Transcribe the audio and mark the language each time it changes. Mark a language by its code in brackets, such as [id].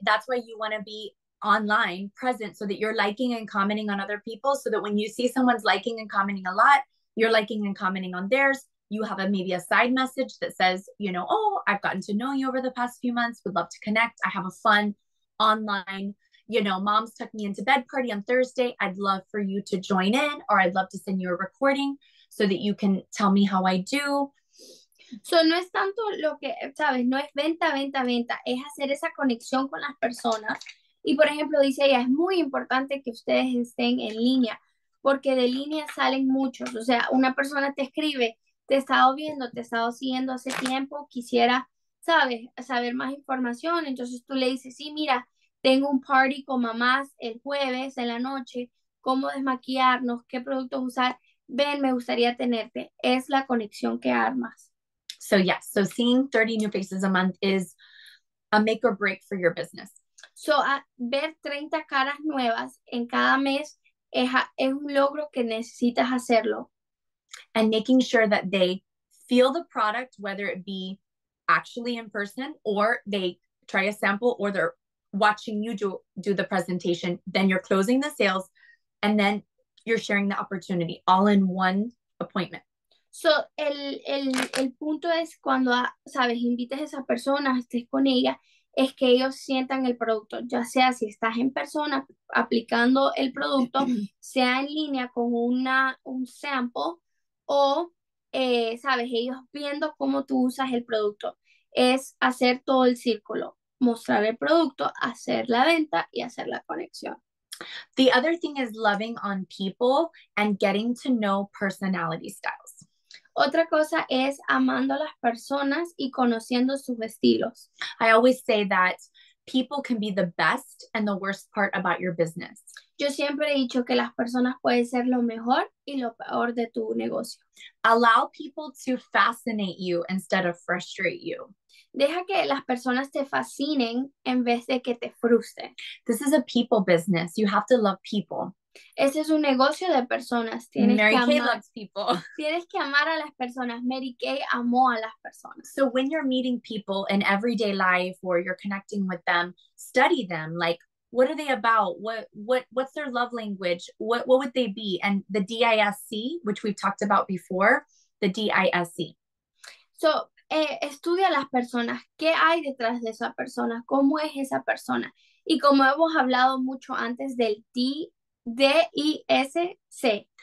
[en] That's why you want to be online, present, so that you're liking and commenting on other people, so that when you see someone's liking and commenting a lot, you're liking and commenting on theirs, you have a maybe a side message that says, you know, oh, I've gotten to know you over the past few months, would love to connect, I have a fun online, you know, mom's tucked me into bed party on Thursday, I'd love for you to join in, or I'd love to send you a recording so that you can tell me how I do. [es] So no es tanto lo que, sabes, no es venta, venta, venta, es hacer esa conexión con las personas. Y, por ejemplo, dice ella, es muy importante que ustedes estén en línea, porque de línea salen muchos. O sea, una persona te escribe, te he estado viendo, te he estado siguiendo hace tiempo, quisiera, ¿sabes?, saber más información. Entonces tú le dices, sí, mira, tengo un party con mamás el jueves en la noche, ¿cómo desmaquillarnos?, ¿qué productos usar?, ven, me gustaría tenerte. Es la conexión que armas. [en] So, yes, yeah. So seeing 30 new faces a month is a make or break for your business. [es] So, ver 30 caras nuevas en cada mes es un logro que necesitas hacerlo. [en] And making sure that they feel the product, whether it be actually in person or they try a sample or they're watching you do the presentation, then you're closing the sales and then you're sharing the opportunity all in one appointment. [es] So, el punto es cuando, sabes, invites a esa persona, estés con ella, es que ellos sientan el producto, ya sea si estás en persona aplicando el producto, sea en línea con un sample o, sabes, ellos viendo cómo tú usas el producto. Es hacer todo el círculo, mostrar el producto, hacer la venta y hacer la conexión. [en] The other thing is loving on people and getting to know personality styles. [es] Otra cosa es amando a las personas y conociendo sus estilos. [en] I always say that people can be the best and the worst part about your business. [es] Yo siempre he dicho que las personas pueden ser lo mejor y lo peor de tu negocio. [en] Allow people to fascinate you instead of frustrate you. [es] Deja que las personas te fascinen en vez de que te frustren. [en] This is a people business. You have to love people. [es] Ese es un negocio de personas. [en] Mary Kay loves people. [es] Tienes que amar a las personas. Mary Kay amó a las personas. [en] So when you're meeting people in everyday life or you're connecting with them, study them. Like, what are they about? What's their love language? What would they be? And the DISC, which we've talked about before, the DISC. [es] So estudia a las personas. ¿Qué hay detrás de esa persona? ¿Cómo es esa persona? Y como hemos hablado mucho antes del D-I-S-C.